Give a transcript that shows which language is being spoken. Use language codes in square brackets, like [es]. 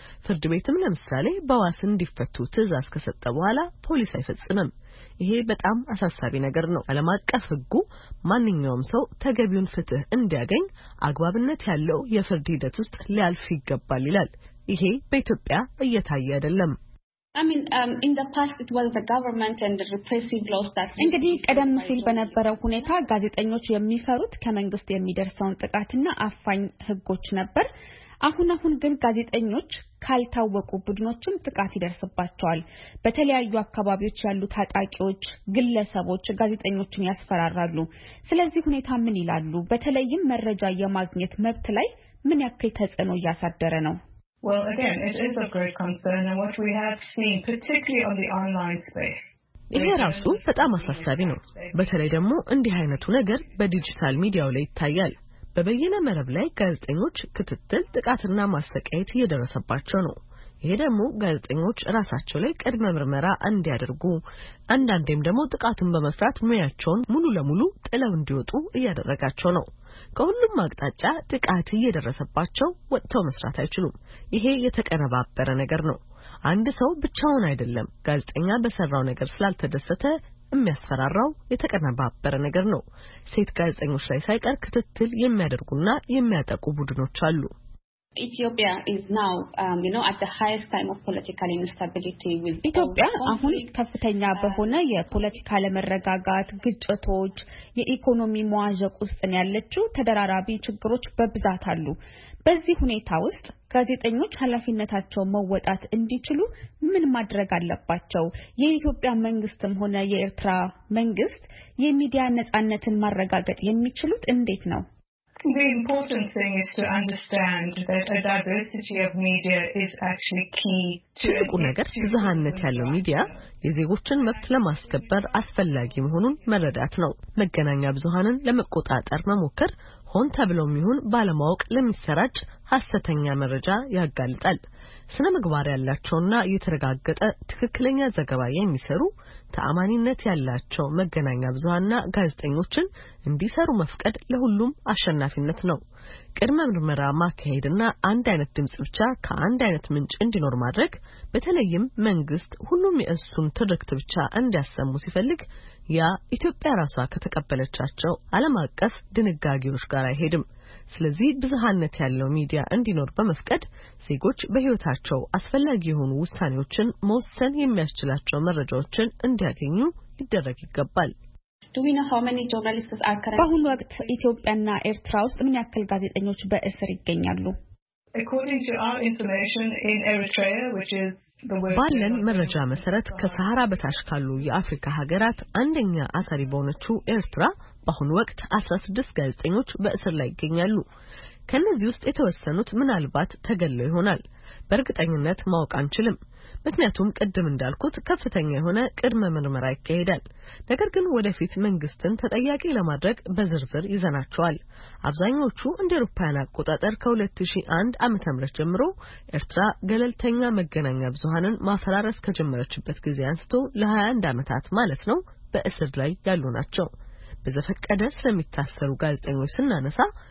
[am] ፍርድ ቤትም ለምሳሌ በዋስ እንዲፈቱ ትዕዛዝ ከሰጠ በኋላ ፖሊስ አይፈጽምም። ይሄ በጣም አሳሳቢ ነገር ነው። ዓለም አቀፍ ሕጉ ማንኛውም ሰው ተገቢውን ፍትህ እንዲያገኝ አግባብነት ያለው የፍርድ ሂደት ውስጥ ሊያልፍ ይገባል ይላል። ይሄ በኢትዮጵያ እየታየ አይደለም። [en] In the past it was the government and the repressive laws that [am] እንግዲህ ቀደም ሲል በነበረው ሁኔታ ጋዜጠኞች የሚፈሩት ከመንግስት የሚደርሰውን ጥቃትና አፋኝ ህጎች ነበር። አሁን ግን ጋዜጠኞች ካልታወቁ ቡድኖችም ጥቃት ይደርስባቸዋል። በተለያዩ አካባቢዎች ያሉ ታጣቂዎች ግለሰቦች ጋዜጠኞችን ያስፈራራሉ። ስለዚህ ሁኔታ ምን ይላሉ? በተለይም መረጃ የማግኘት መብት ላይ ምን ያክል ተጽዕኖ ያሳደረ ነው? [en] Well again it is a great concern and what we have seen particularly on the online space [am] ይሄ ራሱ በጣም አሳሳቢ ነው። በተለይ ደግሞ እንዲህ አይነቱ ነገር በዲጂታል ሚዲያው ላይ ይታያል። በበይነ መረብ ላይ ጋዜጠኞች ክትትል ጥቃትና ማሰቃየት እየደረሰባቸው ነው። ይሄ ደግሞ ጋዜጠኞች ራሳቸው ላይ ቅድመ ምርመራ እንዲያደርጉ አንዳንዴም ደግሞ ጥቃቱን በመፍራት ሙያቸውን ሙሉ ለሙሉ ጥለው እንዲወጡ እያደረጋቸው ነው። ከሁሉም አቅጣጫ ጥቃት እየደረሰባቸው ወጥተው መስራት አይችሉም። ይሄ የተቀነባበረ ነገር ነው። አንድ ሰው ብቻውን አይደለም ጋዜጠኛ በሰራው ነገር ስላልተደሰተ የሚያስፈራራው የተቀነባበረ ነገር ነው። ሴት ጋዜጠኞች ላይ ሳይቀር ክትትል የሚያደርጉና የሚያጠቁ ቡድኖች አሉ። [en] Ethiopia is now at the highest time of political instability with [am] Ethiopia አሁን ከፍተኛ በሆነ የፖለቲካ ለመረጋጋት ግጭቶች የኢኮኖሚ መዋዠቅ ውስጥ ነው ያለችው። ተደራራቢ ችግሮች በብዛት አሉ። በዚህ ሁኔታ ውስጥ ጋዜጠኞች ኃላፊነታቸውን መወጣት እንዲችሉ ምን ማድረግ አለባቸው? የኢትዮጵያ መንግስትም ሆነ የኤርትራ መንግስት የሚዲያ ነጻነትን ማረጋጋት የሚችሉት እንዴት ነው? [en] The important thing is to understand that a diversity of media is actually key to [am] ትልቁ ነገር ብዝሃነት ያለው ሚዲያ የዜጎችን መብት ለማስከበር አስፈላጊ መሆኑን መረዳት ነው። መገናኛ ብዙሃንን ለመቆጣጠር መሞከር ሆን ተብሎም ይሁን ባለማወቅ ለሚሰራጭ ሐሰተኛ መረጃ ያጋልጣል። ስነ ምግባር ያላቸውና የተረጋገጠ ትክክለኛ ዘገባ የሚሰሩ ተአማኒነት ያላቸው መገናኛ ብዙሃንና ጋዜጠኞችን እንዲሰሩ መፍቀድ ለሁሉም አሸናፊነት ነው። ቅድመ ምርመራ ማካሄድና አንድ አይነት ድምጽ ብቻ ከአንድ አይነት ምንጭ እንዲኖር ማድረግ፣ በተለይም መንግስት ሁሉም የእሱን ትርክት ብቻ እንዲያሰሙ ሲፈልግ ያ ኢትዮጵያ ራሷ ከተቀበለቻቸው ዓለም አቀፍ ድንጋጌዎች ጋር አይሄድም። ስለዚህ ብዝሃነት ያለው ሚዲያ እንዲኖር በመፍቀድ ዜጎች በህይወታቸው አስፈላጊ የሆኑ ውሳኔዎችን መወሰን የሚያስችላቸው መረጃዎችን እንዲያገኙ ይደረግ ይገባል። በአሁኑ ወቅት ኢትዮጵያና ኤርትራ ውስጥ ምን ያክል ጋዜጠኞች በእስር ይገኛሉ? [en] According to our information in Eritrea, which is [am] ባለን መረጃ መሰረት ከሰሃራ በታች ካሉ የአፍሪካ ሀገራት አንደኛ አሳሪ በሆነችው ኤርትራ በአሁኑ ወቅት 16 ጋዜጠኞች በእስር ላይ ይገኛሉ። ከነዚህ ውስጥ የተወሰኑት ምናልባት ተገለው ይሆናል። በእርግጠኝነት ማወቅ አንችልም። ምክንያቱም ቀደም እንዳልኩት ከፍተኛ የሆነ ቅድመ ምርመራ ይካሄዳል። ነገር ግን ወደፊት መንግስትን ተጠያቂ ለማድረግ በዝርዝር ይዘናቸዋል። አብዛኞቹ እንደ አውሮፓውያን አቆጣጠር ከ2001 ዓመተ ምህረት ጀምሮ ኤርትራ ገለልተኛ መገናኛ ብዙሃንን ማፈራረስ ከጀመረችበት ጊዜ አንስቶ ለ21 ዓመታት ማለት ነው በእስር ላይ ያሉ ናቸው። በዘፈቀደ ስለሚታሰሩ ጋዜጠኞች ስናነሳ